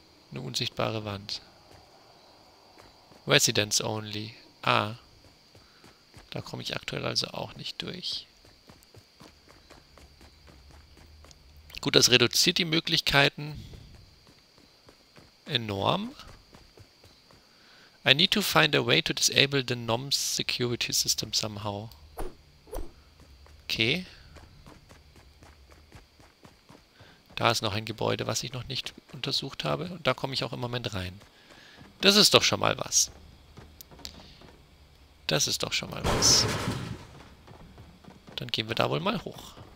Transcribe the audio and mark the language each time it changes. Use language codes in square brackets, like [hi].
[de] Eine unsichtbare Wand. [en] Residence only. [de] Ah. Da komme ich aktuell also auch nicht durch. Gut, das reduziert die Möglichkeiten enorm. [en] I need to find a way to disable the NOMS Security System somehow. [de] Okay. Da ist noch ein Gebäude, was ich noch nicht untersucht habe. Und da komme ich auch im Moment rein. Das ist doch schon mal was. Das ist doch schon mal was. Dann gehen wir da wohl mal hoch.